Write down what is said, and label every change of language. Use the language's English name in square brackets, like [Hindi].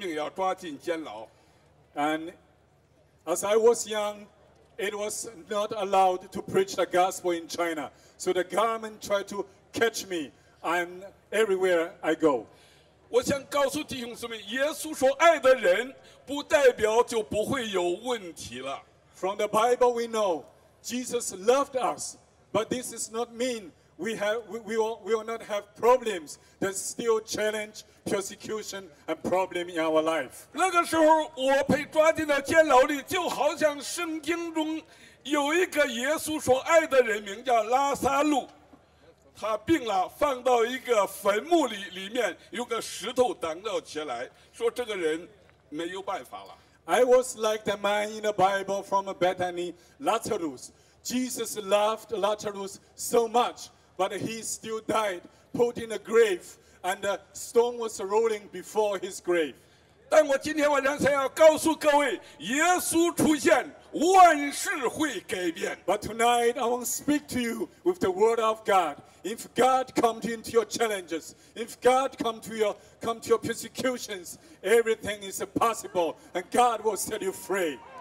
[Chinese] 他是在中国一个无神论国家，你讲耶稣就是反革命。所以，我21岁的时候，他拿到一张通缉令，说这个人是反革命，要抓进监牢。 [English] And as I was young, it was not allowed to preach the gospel in China. So the government tried to catch me, and everywhere I go. [Chinese] 我想告诉弟兄姊妹，耶稣说爱的人不代表就不会有问题了。 [English] From the Bible we know Jesus loved us, but this does not mean we will not have problems. There's still challenge, persecution, and problem in our life. [Chinese] 那个时候我被抓进了监牢里，就好像圣经中有一个耶稣说爱的人名叫拉撒路。他病了，放到一个坟墓里，里面有个石头挡着起来，说这个人没有办法了。 [English] I was like the man in the Bible from Bethany, Lazarus. Jesus loved Lazarus so much, but he still died, put in a grave, and the stone was rolling before his grave. [Chinese] 但我今天晚上想要告诉各位，耶稣出现，万事会改变。 [English] But tonight I want to speak to you with the word of God. If God comes into your challenges, if God comes to your persecutions, everything is possible, and God will set you free.